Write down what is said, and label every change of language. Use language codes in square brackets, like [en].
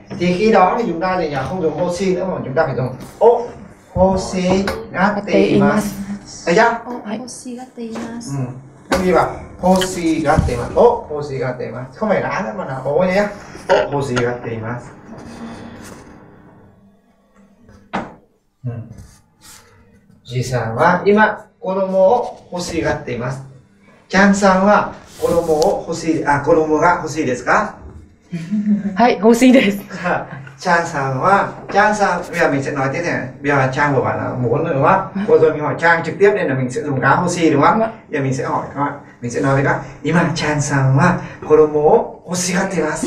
[vi] Thì khi đó thì chúng ta thì nhà không dùng hoshi nữa mà chúng ta phải dùng [ja] o hoshi gatte imasu [vi] được chưa, [ja] hoshi gatte imasu. [vi] Các bạn bảo [ja] hoshi gatte imasu, o hoshi gatte imasu, [vi] không phải là nữa mà là o nhé, [ja] o hoshi gatte imasu. じいさんは今子供を欲しがっています。ちゃんさんは子供を欲しい、あ、子供が欲しいですか？はい、欲しいです。ちゃんさんは、ちゃんさん、 [vi] bây giờ mình sẽ nói tiếp này. Bây giờ Trang vừa bảo là muốn đúng không? Vừa rồi mình hỏi Trang trực tiếp nên là mình sẽ dùng cá hoshi đúng không? Bây giờ mình sẽ hỏi các bạn, mình sẽ nói với các bạn. [ja] 今ちゃんさんは子供を欲しがっています。